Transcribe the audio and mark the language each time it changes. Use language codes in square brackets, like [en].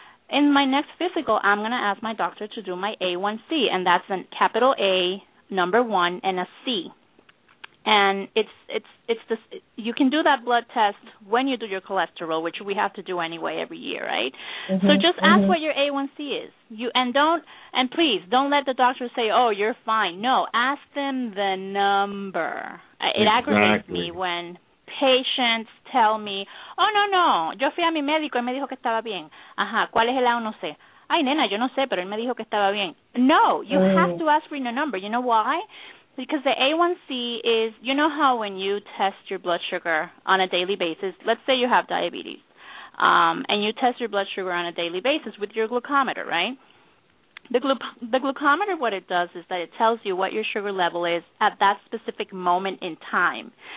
[en] In my next physical, I'm going to ask my doctor to do my A1C, and that's a capital A, number one, and a C. And you can do that blood test when you do your cholesterol, which we have to do anyway every year, right? Mm-hmm. So just ask what your A1C is. Please don't let the doctor say, "Oh, you're fine." No, ask them the number. Exactly. It aggravates me when patients tell me, "Oh no, [es] yo fui a mi médico y me dijo que estaba bien." Ajá, ¿cuál es el A1C? Ay, nena, yo no sé, pero él me dijo que estaba bien. [en] No, you have to ask for the number. You know why? Because the A1C is, you know how when you test your blood sugar on a daily basis, let's say you have diabetes, and you test your blood sugar on a daily basis with your glucometer, right? The glucometer, what it does is that it tells you what your sugar level is at that specific moment in time.